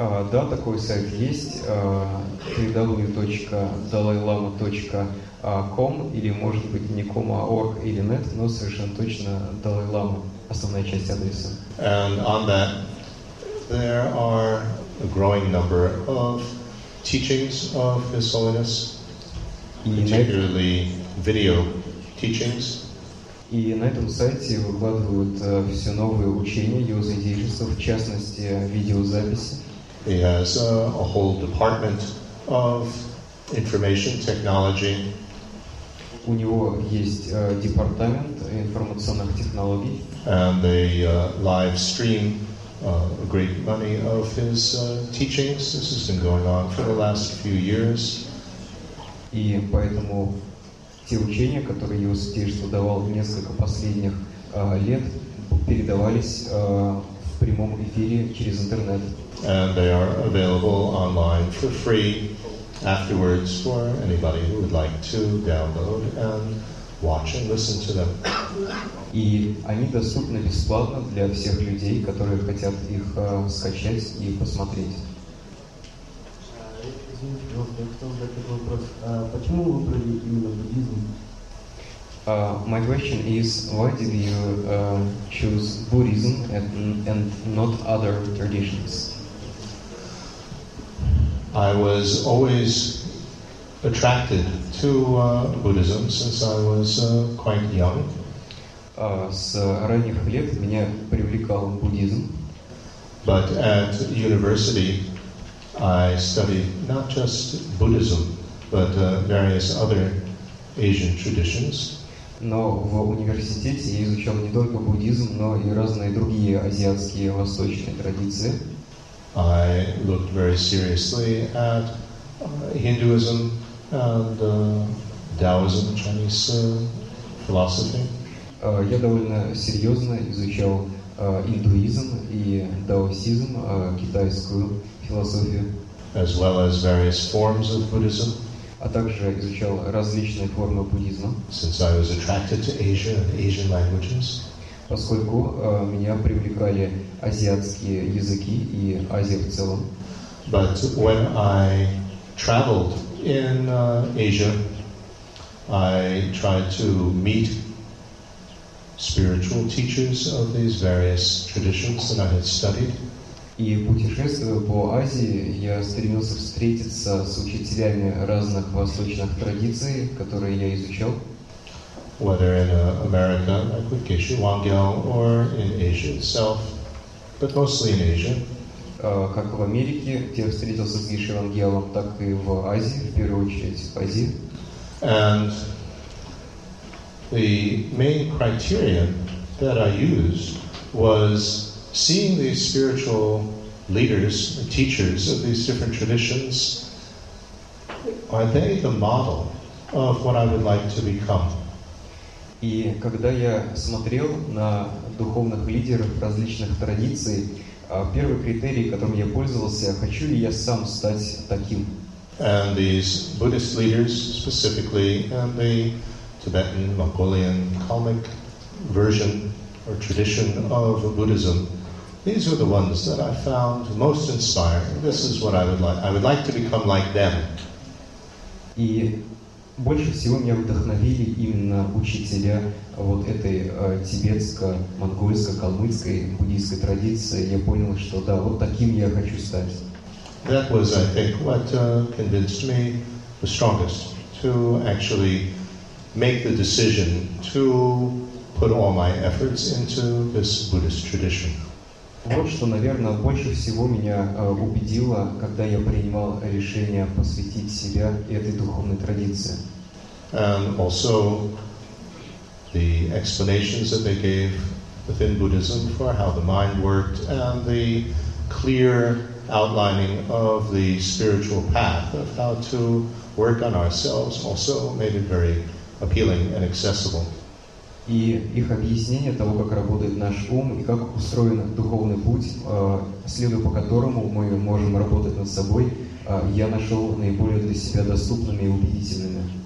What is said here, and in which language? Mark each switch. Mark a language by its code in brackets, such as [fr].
[ru] Да, такой сайт есть, www.dalailama.com, или, может быть, не com, а org или net, но совершенно точно Dalai Lama, основная часть адреса. [en] And on that, there are a growing number of teachings of His Holiness, particularly video teachings. [ru] И на этом сайте выкладывают все новые учения, его свидетельства, в частности, видеозаписи. [en] He has a whole department of information technology. [ru] У него есть департамент информационных технологий. [en] And they live stream a great many of his teachings. This has been going on for the last few years. [ru] И поэтому те учения, которые его свидетельство давал в несколько последних лет, передавались прямом эфире через интернет. [en] And they are available online for free afterwards for anybody who would like to download and watch and listen to them. [ru] И они доступны бесплатно для всех людей, которые хотят их скачать и посмотреть. [en] My question is, why did you choose Buddhism and not other traditions? I was always attracted to Buddhism since I was quite young. [ru] С ранних лет меня привлекал буддизм. [en] But at university, I studied not just Buddhism, but various other Asian traditions. [ru] Но в университете я изучал не только буддизм, но и разные другие азиатские восточные традиции. [en] I looked very seriously at Hinduism and Taoism, Chinese philosophy. [ru] Я довольно серьезно изучал индуизм и даосизм, китайскую философию. [en] As well as various forms of Buddhism. [ru] А также изучал различные формы буддизма. [en] Since I was attracted to Asia and Asian languages. [ru] Поскольку меня привлекали азиатские языки и Азия в целом. [en] But when I traveled in Asia, I tried to meet spiritual teachers of these various traditions that I had studied. [ru] И путешествуя по Азии, я стремился встретиться с учителями разных восточных традиций, которые я изучал. [en] Whether in America, like with Geshe Wangyal, or in Asia itself, but mostly in Asia. [ru] Как в Америке, где я встретился с Geshe Wangyalом, так и в Азии, в первую очередь в Азии. [en] And the main criterion that I used was seeing these spiritual leaders, teachers of these different traditions, are they the model of what I would like to become? [ru] И когда я смотрел на духовных лидеров различных традиций, первый критерий, которым я пользовался, хочу ли я сам стать таким? [en] And these Buddhist leaders specifically, and the Tibetan, Mongolian, Kalmyk version or tradition of Buddhism, these were the ones that I found most inspiring. This is what I would like. I would like to become like them. [ru] И больше всего меня вдохновили именно учителя вот этой тибетско-монгольско-калмыцкой буддийской традиции. Я понял, что да, вот таким я хочу стать. [en] That was, I think, what convinced me the strongest to actually make the decision to put all my efforts into this Buddhist tradition. [ru] Вот что, наверное, больше всего меня убедило, когда я принимал решение посвятить себя этой духовной традиции. [en] And also the explanations that they gave within Buddhism for how the mind worked and the clear outlining of the spiritual path of how to work on ourselves also made it very appealing and accessible. [ru] И их объяснение того, как работает наш ум и как устроен духовный путь, следуя по которому мы можем работать над собой, я нашел наиболее для себя доступными и убедительными.